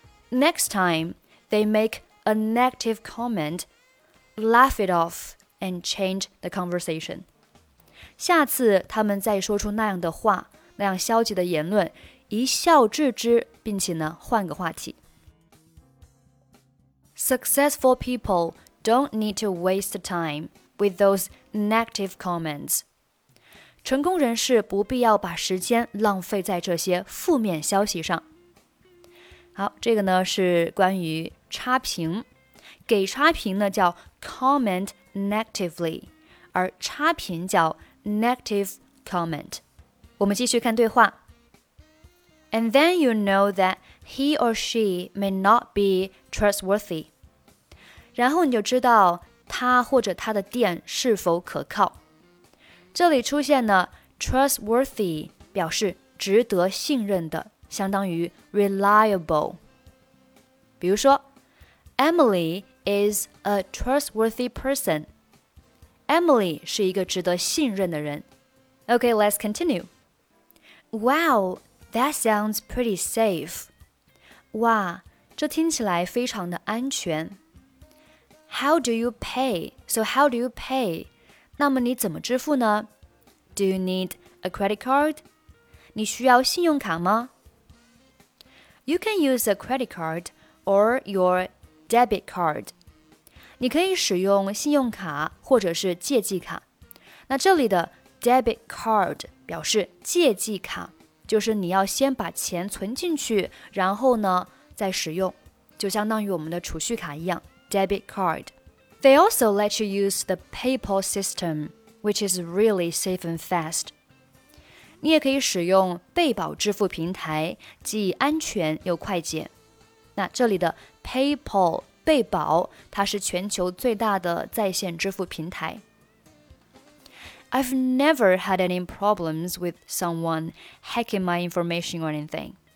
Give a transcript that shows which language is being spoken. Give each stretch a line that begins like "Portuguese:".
English: Next time, they make a negative comment, laugh it off and change the conversation.
Chinese: 下次他们再说出那样的话，那样消极的言论，一笑置之，并且呢，换个话题。
English: Successful people don't need to waste time with those negative comments.
Chinese: 成功人士不必要把时间浪费在这些负面消息上。好，这个呢是关于差评，给差评呢叫
English: comment negatively，
Chinese: 而差评叫
English: negative comment。
Chinese: 我们继续看对话。
English: And then you know that he or she may not be trustworthy.
Chinese: 然后你就知道他或者他的店是否可靠。这里出现呢 trustworthy 表示值得信任的，相当于 reliable。比如说
English: Emily is a trustworthy person.
Chinese: Emily 是一个值得信任的人。
English: OK, let's continue. Wow, that sounds pretty safe.
Chinese: 哇，这听起来非常的安全。
English: How do you pay? So how do you pay?
Chinese: 那么你怎么支付呢？
English: Do you need a credit card?
Chinese: 你需要信用卡吗？
English: You can use a credit card or your debit card.
Chinese: 你可以使用信用卡或者是借记卡。那这里的 debit card 表示借记卡，就是你要先把钱存进去，然后呢再使用，就相当于我们的储蓄卡一样 debit card.
English: They also let you use the PayPal system, which is really safe and fast.
Chinese: 你也可以使用贝宝支付平台，既安全又快捷。那这里的 PayPal 贝宝，它是全球最大的在线支付平台。
English: I've never had any problems with someone hacking my information or anything.